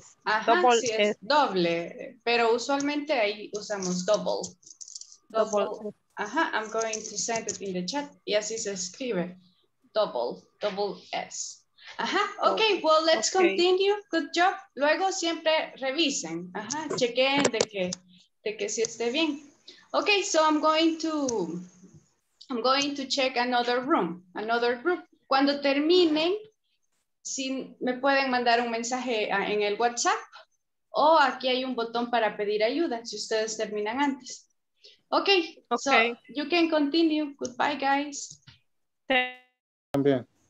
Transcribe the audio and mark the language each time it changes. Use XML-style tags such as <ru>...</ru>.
<es>Sí, es doble, pero usualmente ahí usamos double.</es> <en>Double. Ajá, I'm going to send it in the chat.</en> <es>Y así se escribe. Double S.</es> <en>Ajá, ok, well, let's continue. Good job.</en> <es>Luego siempre revisen. Ajá, chequen de que sí esté bien.</es> <en>Ok, so I'm going to check another group.</en> <es>Cuando terminen, si me pueden mandar un mensaje en el WhatsApp o aquí hay un botón para pedir ayuda si ustedes terminan antes.</es> <en>Okay, ok, so you can continue. Goodbye, guys.</en> <es>También.</es>